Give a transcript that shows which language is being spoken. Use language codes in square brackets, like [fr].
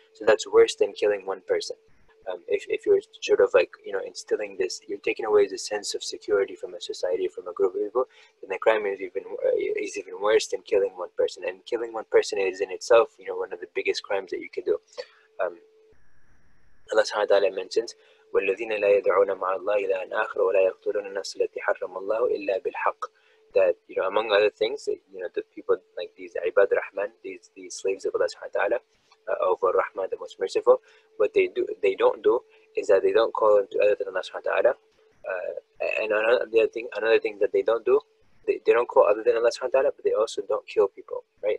[en] So that's worse than killing one person. If you're sort of like, you know, instilling this, you're taking away the sense of security from a society, from a group of people, then the crime is even worse than killing one person. And killing one person is in itself, you know, one of the biggest crimes that you can do. [ar] Allah subhanahu wa ta'ala mentions, وَالَّذِينَ لَا يَدْعُونَ مَعَ اللَّهِ إِلَىٰ آخَرَ وَلَا يَقْتُلُونَ النَّفْسَ الَّتِي حَرَّمَ اللَّهُ إِلَّا بِالْحَقِّ. [en] That, you know, among other things, you know, the people like these Ibad Rahman, these slaves of Allah subhanahu wa ta'ala, of Ar-Rahman, the most merciful, what they do, they don't do, is that they don't call into other than Allah subhanahu wa ta'ala. And another thing that they don't do, they don't call other than Allah subhanahu wa ta'ala, but they also don't kill people, right?